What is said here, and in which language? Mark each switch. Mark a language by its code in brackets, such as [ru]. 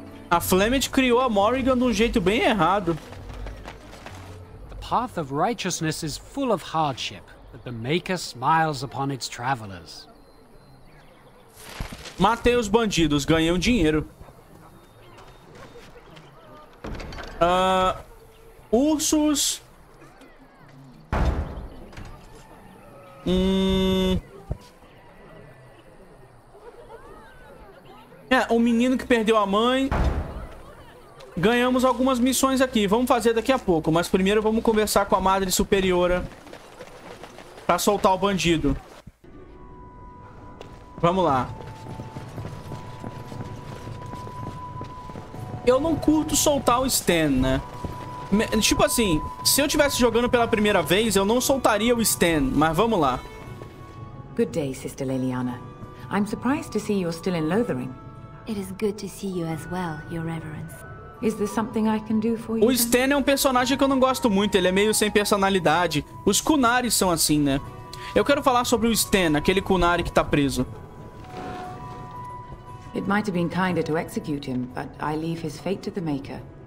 [pt] A Flemish criou a Morrigan de um jeito bem errado. [en] The path of righteousness is full of hardship, but the Maker smiles upon its travelers. [pt] Matei os bandidos, ganhei um dinheiro. Ursos. É, um menino que perdeu a mãe. Ganhamos algumas missões aqui. Vamos fazer daqui a pouco. Mas primeiro vamos conversar com a Madre Superiora pra soltar o bandido. Vamos lá. Eu não curto soltar o Sten, né? Tipo assim, se eu tivesse jogando pela primeira vez, eu não soltaria o Sten, mas vamos lá. [en] Good day, Sister Leliana. I'm surprised to see you're still in Lothering. It is good to see you as well, Your Reverence. Is there something I can do for you? [pt] O Sten é um personagem que eu não gosto muito, ele é meio sem personalidade. Os Kunaris são assim, né? Eu quero falar sobre o Sten, aquele Kunari que tá preso. [en] It might have been kinder to execute him, but I leave his fate to the Maker.